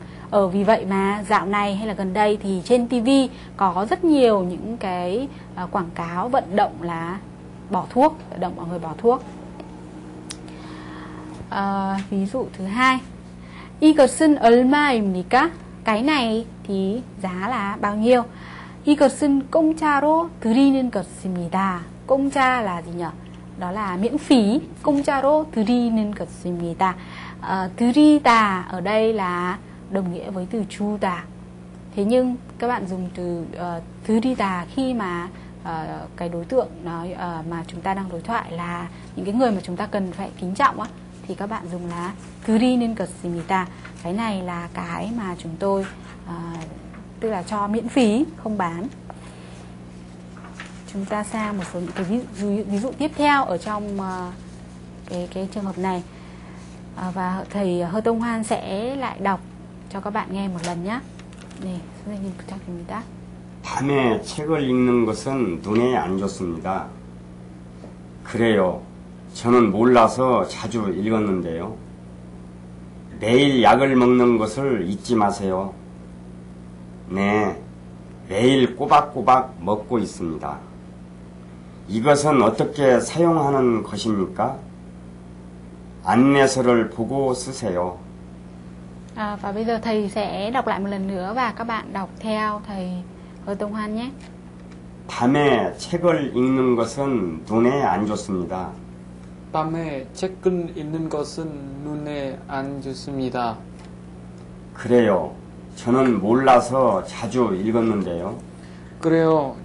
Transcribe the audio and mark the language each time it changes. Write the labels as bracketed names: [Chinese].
[Vietnamese] Ở vì vậy mà dạo này hay là gần đây thì trên TV có rất nhiều những cái quảng cáo vận động là bỏ thuốc, vận động mọi người bỏ thuốc. Ví dụ thứ hai. [Korean] 이것은 얼마입니까? [Vietnamese] Cái này thì giá là bao nhiêu? [Korean] 이것은 공짜로 드리는 것입니다. [Vietnamese] 공짜 là gì nhỉ? Đó là miễn phí. [Korean] 공짜로 드리는 것입니다. [Vietnamese] 드리다 ở đây là đồng nghĩa với từ 주다. Thế nhưng các bạn dùng từ 드리다 khi mà cái đối tượng nói mà chúng ta đang đối thoại là những cái người mà chúng ta cần phải kính trọng á, thì các bạn dùng là [Korean] 드리는 것입니다. [Vietnamese] Cái này là cái mà chúng tôi tức là cho miễn phí, không bán. Chúng ta sang một số những cái ví dụ tiếp theo ở trong cái trường hợp này. Và thầy Hơ Tông Hoan sẽ lại đọc cho các bạn nghe một lần nhé. [Korean] 네, 선생님 부탁드립니다. 밤에 책을 읽는 것은 눈에 안 좋습니다. 그래요. 저는 몰라서 자주 읽었는데요. 매일 약을 먹는 것을 잊지 마세요. 네, 매일 꼬박꼬박 먹고 있습니다. 이것은 어떻게 사용하는 것입니까? 안내서를 보고 쓰세요. [Vietnamese] Và bây giờ thầy sẽ đọc lại một lần nữa và các bạn đọc theo thầy Hơ Tông Hoan nhé. [Korean] 밤에 책을 읽는 것은 눈에 안 좋습니다. 밤에 책을 읽는 것은 눈에 안 좋습니다. 그래요. 저는 몰라서 자주 읽었는데요. 그래요.